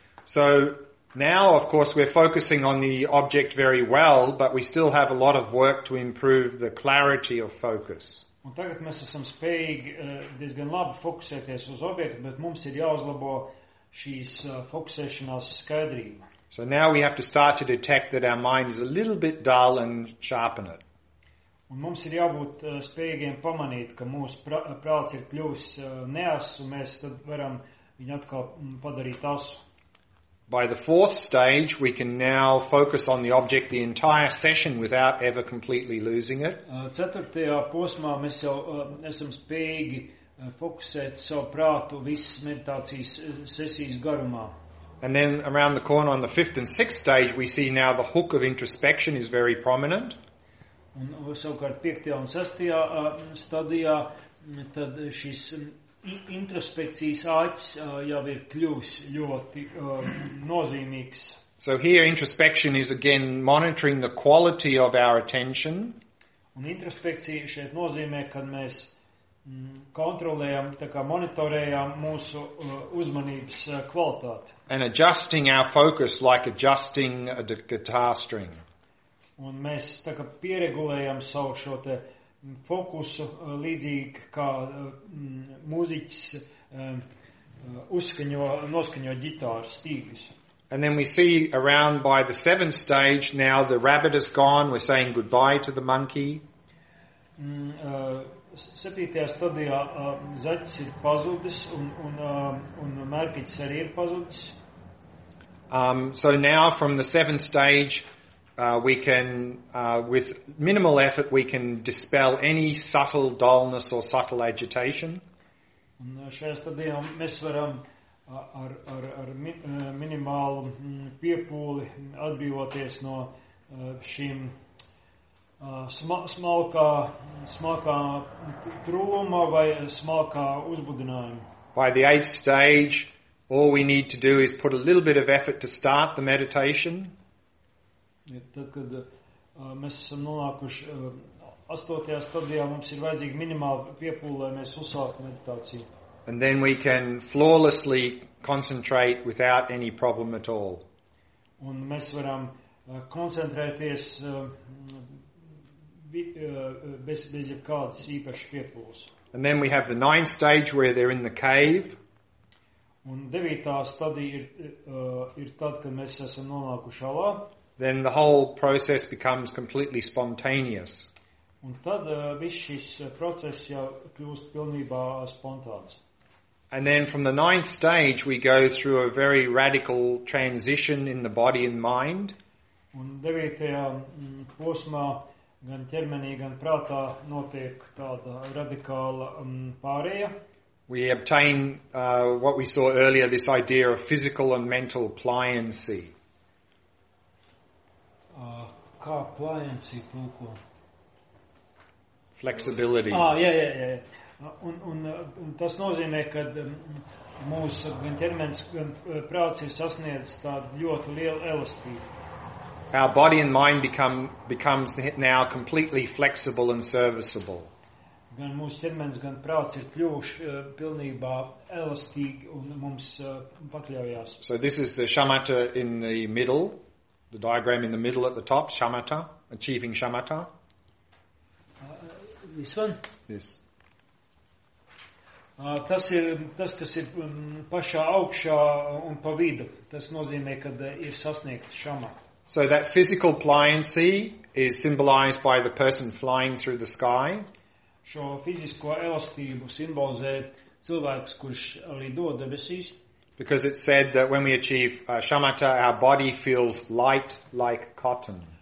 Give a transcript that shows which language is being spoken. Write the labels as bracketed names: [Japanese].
[English] So, now, of course, we're focusing on the object very well, but we still have a lot of work to improve the clarity of focus. [Latvian] Un tagad mēs esam spējīgi diezgan labi fokusēties uz objektu, bet mums ir jāuzlabo šīs fokusēšanās skaidrība. [English] So now we have to start to detect that our mind is a little bit dull and sharpen it. [Latvian] Un mums ir jābūt spējīgiem pamanīt, ka mūsu prāts ir kļuvis neass, un mēs tad varam viņu atkal padarīt asu. [English] By the fourth stage, we can now focus on the object the entire session without ever completely losing it. [Latvian] Ceturtajā posmā mēs jau esam spējīgi fokusēt savu prātu visas meditācijas sesijas garumā. [English] And then around the corner on the fifth and sixth stage, we see now the hook of introspection is very prominent. [Latvian] Un savukārt piektajā un sestajā stadijā, tad šis introspekcijas āķis jau ir kļuvis ļoti nozīmīgs. [English] So here introspection is again monitoring the quality of our attention. [Latvian] Un introspekcija šeit nozīmē, kad mēs kontrolējam, tā kā monitorējam mūsu uzmanības kvalitāti. [English] And adjusting our focus like adjusting a guitar string. [Latvian] Un mēs tā kā pieregulējam savu šo te fokusu līdzīgi kā mūziķis noskaņo ģitāru stīgus. [English] And then we see around by the seventh stage now the rabbit is gone, we're saying goodbye to the monkey. [Latvian] Septītajā stadijā zaķis ir pazudis un mērķis arī ir pazudis. [English] So now from the seventh stage we can, with minimal effort, we can dispel any subtle dullness or subtle agitation. [Latvian] Un šajā stadijā mēs varam ar minimālu piepūli atbrīvoties no šīm smalkā trūma vai smalkā uzbudinājuma. [English] By the eighth stage, all we need to do is put a little bit of effort to start the meditation. [Latvian] Tad, kad mēs esam nonākuši astotajā stadijā, mums ir vajadzīgi minimāli piepūli, lai mēs uzsāktu meditāciju. [English] And then we can flawlessly concentrate without any problem at all. [Latvian] Un mēs varam koncentrēties bez jebkādas īpašas piepūles. [English] And then we have the ninth stage where they're in the cave. [Latvian] Un devītā stadija ir tad, kad mēs esam nonākuši alā. [English] Then the whole process becomes completely spontaneous. [Latvian] Un tad viss šis process jau kļūst pilnībā spontāns. [English] And then from the ninth stage we go through a very radical transition in the body and mind. [Latvian] Un devītajā posmā gan ķermenī, gan prātā notiek tāda radikāla pārēja. [English] We obtain what we saw earlier, this idea of physical and mental pliancy. [Latvian] Kā pliancy tūko? [English] Flexibility. [Latvian] Un tas nozīmē, ka mūsu gan ķermenis, gan prāts ir sasniedzis tādu ļoti lielu elastību. [English] Our body and mind becomes now completely flexible and serviceable. [Latvian] Gan mūsu ķermenis, gan prāts ir kļuvuši pilnībā elastīgi un mums pakļaujās. [English] So this is the shamatha in the middle, the diagram in the middle at the top, shamatha, achieving shamatha. This one? This. [Latvian] Tas ir tas, kas ir pašā augšā un pa vidu. Tas nozīmē, ka ir sasniegts shamatha. [English] So that physical pliancy is symbolized by the person flying through the sky. [Latvian] Šo fizisko elastību simbolizē cilvēks, kurš lido debesīs. [English] Because it said that when we achieve shamatha, our body feels light like cotton.